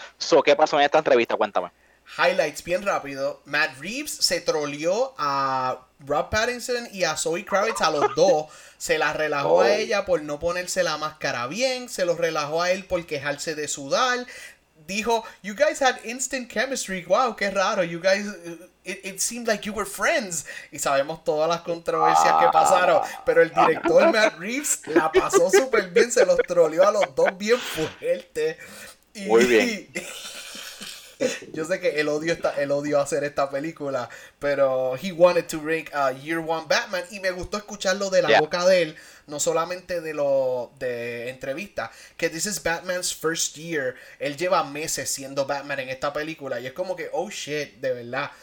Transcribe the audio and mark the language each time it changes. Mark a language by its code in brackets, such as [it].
[es] So, ¿qué pasó en esta entrevista? Cuéntame. Highlights bien rápido. Matt Reeves se troleó a Rob Pattinson y a Zoe Kravitz a los dos. Se las relajó a Oh. ella por no ponerse la máscara bien. Se los relajó a él por quejarse de sudar. Dijo, [en] you guys had instant chemistry. [es] Wow, qué raro. [en] You guys, it seemed like you were friends. [es] Y sabemos todas las controversias que pasaron. Pero el director Matt Reeves la pasó súper bien. Se los troleó a los dos bien fuerte. Muy bien. Y yo sé que el odio a hacer esta película, pero [en] he wanted to rank a Year One Batman [es] y me gustó escucharlo de la boca de él, no solamente de lo de entrevista, que [en] this is Batman's first year, [es] él lleva meses siendo Batman en esta película y es como que, [en] oh shit, [es] de verdad.